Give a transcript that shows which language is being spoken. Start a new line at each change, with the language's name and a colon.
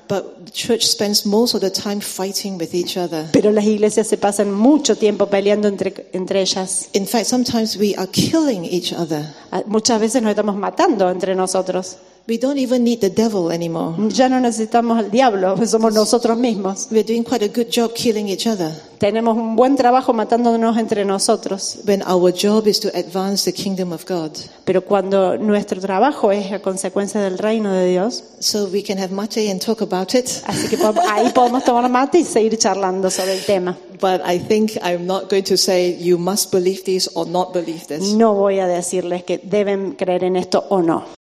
English: But the church spends most of the time fighting with each other.
Spanish: Pero las iglesias se pasan mucho tiempo peleando entre ellas.
English: In fact, sometimes we are killing each other.
Spanish: Muchas veces nos estamos matando entre nosotros.
English: We don't even need the devil anymore.
Spanish: Ya no necesitamos al diablo, somos nosotros mismos.
English: We're doing quite a good job killing each other.
Spanish: Tenemos un buen trabajo matándonos entre nosotros.
English: When our job is to advance the kingdom of God.
Spanish: Pero cuando nuestro trabajo es a consecuencia del reino de Dios.
English: So we can have mate and talk about it.
Spanish: Así que ahí podemos tomar mate y seguir charlando sobre el tema.
English: But I think I'm not going to say you must believe this or not believe this.
Spanish: No voy a decirles que deben creer en esto o no.